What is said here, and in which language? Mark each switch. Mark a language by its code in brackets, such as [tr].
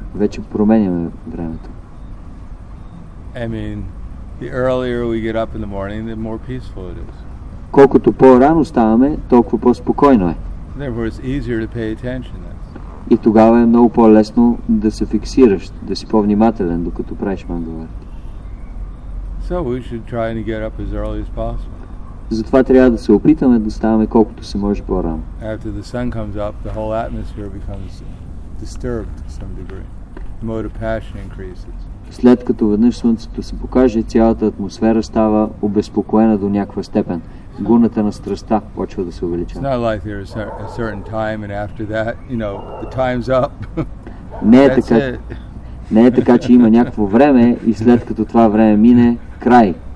[bg] Вече променяме времето. [en] I mean, the earlier we get up in the morning, the more peaceful it is. [bg] Колкото по-рано ставаме, толкова по-спокойно е. [en] Therefore, it's easier to pay attention then. [bg] И тогава е много по-лесно да се фиксираш, да си по-внимателен, докато правиш мандаларти. [en] So we should try and get up as early as possible. [bg] Затова трябва да се опитаме да ставаме колкото се може по-рано. [en] After the sun comes up, the whole atmosphere becomes disturbed to some degree. The mode of passion increases. [bg] След като веднъж слънцето се покаже, цялата атмосфера става обезпокоена до някаква степен. Гуната на страстта почва да се увеличава. [en] It's not like there's a certain time and after that, you know, the time's up. [bg] Не е така, че има някакво време и след като това време мине, край.